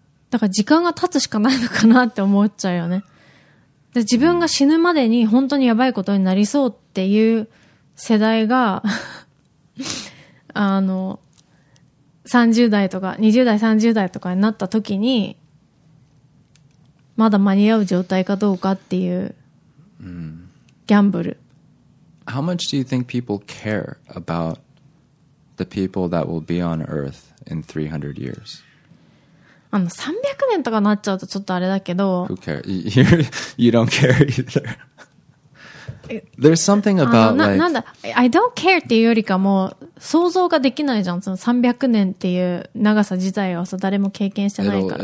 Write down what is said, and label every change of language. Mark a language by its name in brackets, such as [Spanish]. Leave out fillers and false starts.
[Japanese] だから時間が経つしかないのかなって思っちゃうよねで自分が死ぬまでに本当にやばいことになりそうっていう世代が30代とか20代30代とかになった時にまだ間に合う状態かどうかっていう、ギャンブル。 [English] How much do you think people care about the people that will be on Earth in 300 years? [Japanese] 300年とかなっちゃうとちょっとあれだけど。 [English] Who cares? You don't care either. There's something about like... [Japanese] なんだ、 [English] I don't care [Japanese] っていうよりかも想像ができないじゃん。その300年っていう長さ自体はさ誰も経験してないから。